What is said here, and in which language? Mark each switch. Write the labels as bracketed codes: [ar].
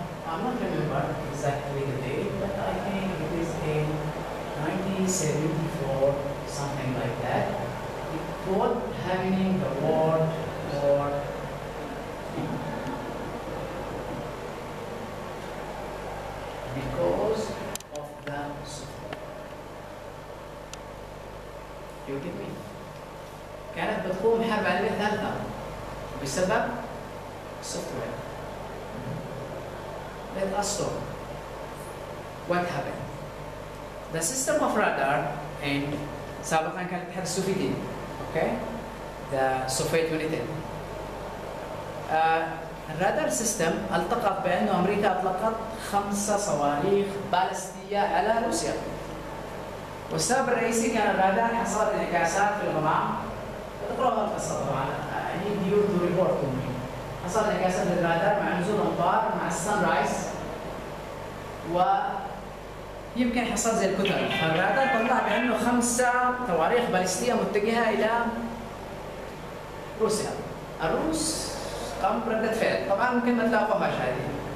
[en] I'm not remember exactly the date, but I think it is in 1974, something like that. It was happening the war for because of the software. You get me? [ar] كانت بتقوم حرب عالمية ثالثة بسبب software. [en] Let us talk. What happened? The system of radar in [ar] سابقاً كانت تحت السوفيتي. [en] Okay? The Soviet Union. [ar] الرادار سيستم التقط بأنه أمريكا أطلقت 5 صواريخ باليستية على روسيا. والسبب الرئيسي كان الرادار حصل انعكاسات في الغمام. تقرأوا القصة طبعاً. [en] I need you to report to me. [ar] حصل انعكاسات للرادار مع نزول أمطار مع [en] السان رايز. [ar] و يمكن حصل زي الكتل. فالرادار طلع بأنه خمسة صواريخ باليستية متجهة إلى روسيا. الروس قام بردة فعل. طبعاً ممكن ما تلاقوهاش هذه.